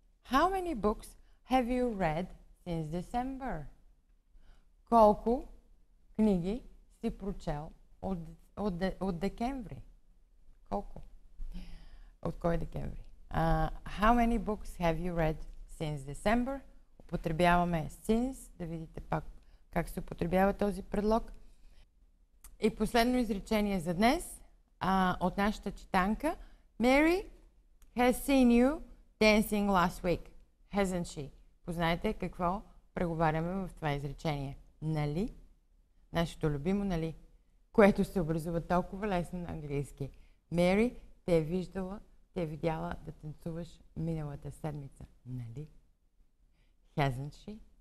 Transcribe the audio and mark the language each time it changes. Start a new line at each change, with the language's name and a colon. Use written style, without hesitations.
English: How many books have you read since December?
Bulgarian: Колко книги си прочел от декември? Колко? От кой декември?
English: How many books have you read since December?
Bulgarian: Употребяваме since, да видите пак как се употребява този предлог. И последно изречение за днес от нашата читанка.
English: Mary has seen you dancing last week, hasn't she?
Bulgarian: Познайте какво преговаряме в това изречение. Нали? Нашето любимо, нали? Което се образува толкова лесно на английски. Mary те е виждала, те е видяла да танцуваш миналата седмица. Нали?
English: Hasn't she?